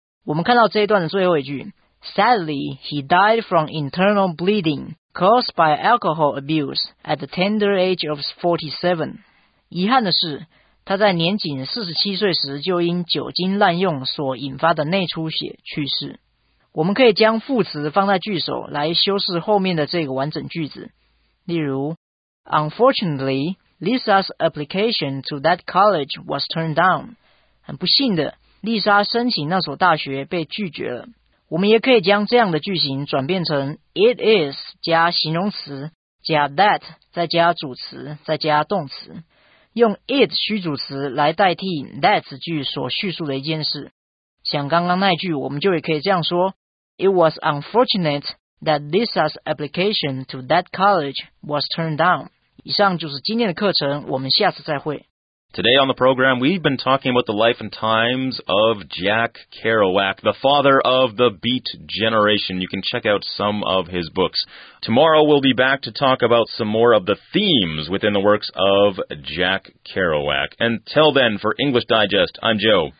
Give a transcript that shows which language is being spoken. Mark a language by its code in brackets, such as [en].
[zh] 我们看到这一段的最后一句， [en] Sadly, he died from internal bleeding caused by alcohol abuse at the tender age of 47. [zh] 遗憾的是，他在年仅47岁时就因酒精滥用所引发的内出血去世。我们可以将副词放在句首来修饰后面的这个完整句子。例如， [en] Unfortunately, Lisa's application to that college was turned down. [zh] 很不幸的，丽莎申请那所大学被拒绝了。我们也可以将这样的句型转变成 it is 加形容词加 that 再加主词再加动词，用 it 虚主词来代替 that 句所叙述的一件事。像刚刚那句，我们就也可以这样说： [en] It was unfortunate that Lisa's application to that college was turned down. [zh] 以上就是今天的课程，我们下次再会。 [en] Today on the program, we've been talking about the life and times of Jack Kerouac, the father of the Beat Generation. You can check out some of his books. Tomorrow, we'll be back to talk about some more of the themes within the works of Jack Kerouac. Until then, for English Digest, I'm Joe.